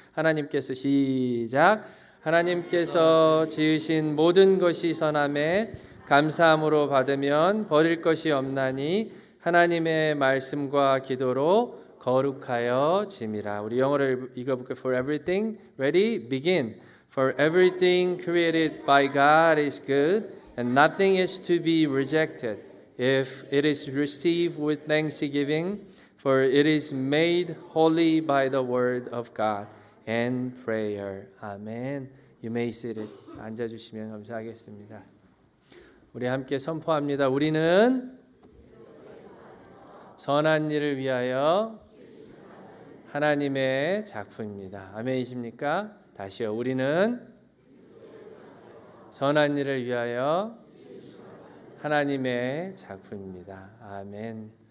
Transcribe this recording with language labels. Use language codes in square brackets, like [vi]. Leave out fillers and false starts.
[ko] 하나님께서 시작. 하나님께서 지으신 모든 것이 선함에 감사함으로 받으면 버릴 것이 없나니 하나님의 말씀과 기도로 거룩하여 짐이라. 우리 영어를 읽어볼게요. [en] For everything, ready, begin. For everything created by God is good, and nothing is to be rejected if it is received with thanksgiving, for it is made holy by the word of God and prayer. Amen. You may sit it. [ko] 앉아주시면 감사하겠습니다. 우리 함께 선포합니다. 우리는 선한 일을 위하여 하나님의 작품입니다. 아멘이십니까? 다시요. 우리는 선한 일을 위하여 하나님의 작품입니다. 아멘.